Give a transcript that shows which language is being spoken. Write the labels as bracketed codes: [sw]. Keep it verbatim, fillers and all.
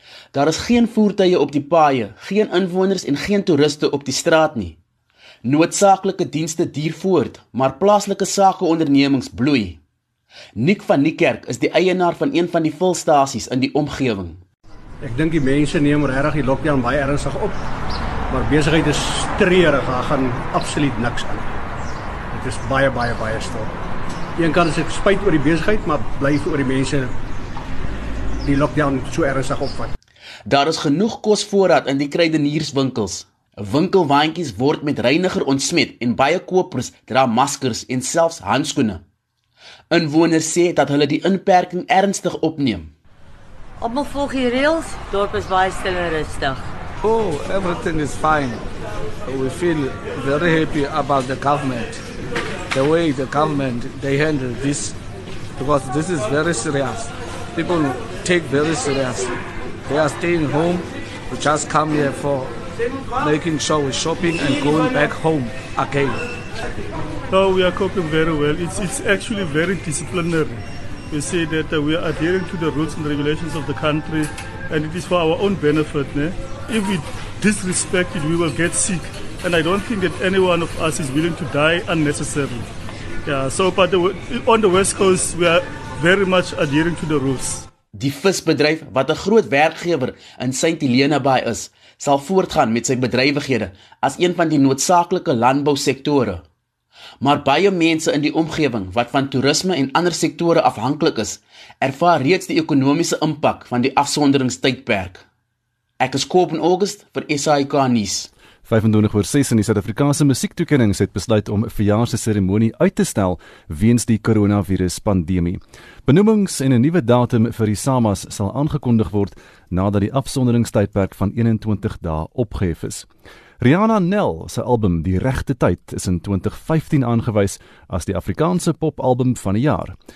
[af] Daar is geen voertuie op die paaie, geen inwoners en geen toeriste op die straat nie. Noodsaaklike dienste duur voort, maar plaaslike sakeondernemings bloei. Nick van Niekerk is die eienaar van een van die vulstasies in die omgewing. Ek dink die mense neem regtig die lockdown baie ernstig op, maar besigheid is treurig, daar gaan absoluut niks aan. Dit is baie, baie, baie stil. Een kant is ek spyt oor die besigheid, maar bly vir die mense die lockdown so ernstig opvat. Daar is genoeg kosvoorraad in die kruidenierswinkels. Winkelwaandjies word met reiniger ontsmet en baie kopers dra maskers en selfs handskoene. Inwoners sê dat hulle die inperking ernstig opneem. Almal volg die reëls, dorp is baie stil en rustig. [en] Oh, everything is fine. We feel very happy about the government. The way the government, they handle this, because this is very serious. People take very seriously. They are staying home. We just come here for making sure we're shopping and going back home again. No, we are coping very well. It's it's actually very disciplinary. We say that uh, we are adhering to the rules and regulations of the country, and it is for our own benefit. Ne? If we disrespect it, we will get sick. And I don't think that any one of us is willing to die unnecessarily. Yeah, so but the, on the West Coast we are very much adhering to the rules. [af] Die visbedryf wat 'n groot werkgewer in Sint Helena Baai is, sal voortgaan met sy bedrywighede as een van die noodsaaklike landbousektore. Maar baie mense in die omgewing wat van toerisme en ander sektore afhanklik is, ervaar reeds die ekonomiese impak van die afsonderingstydperk. Ek is Koop in August vir S A I K nuus. vyf en twintig oor ses in die Suid-Afrikaanse musiektoekenning het besluit om 'n verjaarsseremonie uit te stel weens die koronaviruspandemie. Benoemings en 'n nuwe datum vir die S A M A S sal aangekondig word nadat die afsonderingstydperk van eenentwintig dae opgehef is. Rihanna Nel se album Die Regte Tyd is in twintig vyftien aangewys as die Afrikaanse popalbum van die jaar.